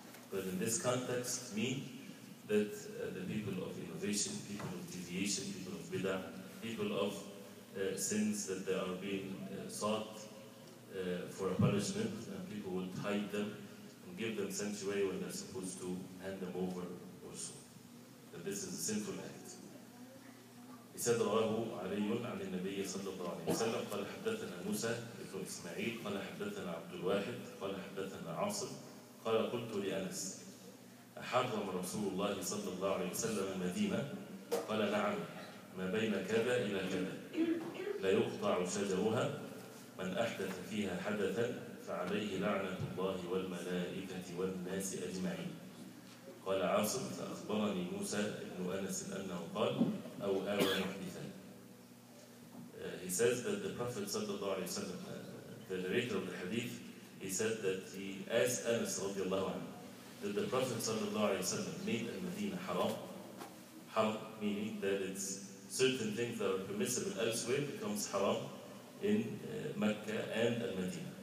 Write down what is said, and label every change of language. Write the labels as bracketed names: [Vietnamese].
[English] But in this context mean that the people of innovation, people of deviation, people of bid'ah, people of sins that they are being sought for a punishment, and people would hide them and give them sanctuary when they're supposed to hand them over or so. That this is a sinful act. He said, [Arabic] رواه علي عن النبي صلى الله عليه وسلم قال حدثنا موسى بن اسماعيل قال حدثنا عبد الواحد قال حدثنا عاصم قال قلت لأنس أحرم رسول الله صلى الله عليه وسلم المدينة؟ قال نعم، ما بين كذا إلى كذا، لا يقطع شجرها، من أحدث فيها حدثا فعليه لعنة الله والملائكة والناس أجمعين. قال عاصم فأخبرني موسى ابن أنس أنه قال أو آوى محدثا. [English] He says that the Prophet [Arabic] صلى الله عليه وسلم, [English] the narrator of the hadith, he said that he asked Anas [Arabic] رضي الله عنه, [English] did the Prophet صلى الله عليه وسلم made [Arabic] المدينة حرام؟ [English] حرام meaning that it's certain things that are permissible elsewhere becomes haram in Mecca and Al-Madina.